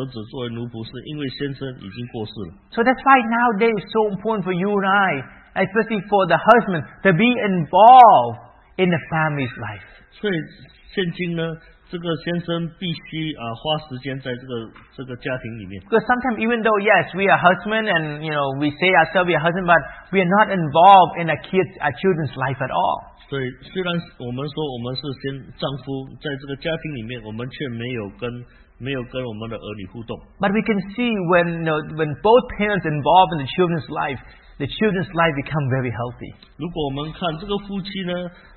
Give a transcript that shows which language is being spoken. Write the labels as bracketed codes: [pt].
[zh] 所以这里有债主来娶这两个儿子作为奴仆，是因为先生已经过世了。 [en] So that's why nowadays it's so important for you and I, especially for the husband, to be involved in the family's life. [zh] 所以现今呢, 这个先生必须, 花时间在这个家庭里面。 [en] Because sometimes even though yes, we are husband and you know we say ourselves we are husband, but we are not involved in our children's life at all. [zh] 所以虽然我们说我们是先丈夫，在这个家庭里面，我们却没有跟我们的儿女互动。 [en] But we can see when you know, when both parents involved in the children's life become very healthy. [zh] 如果我们看这个夫妻呢。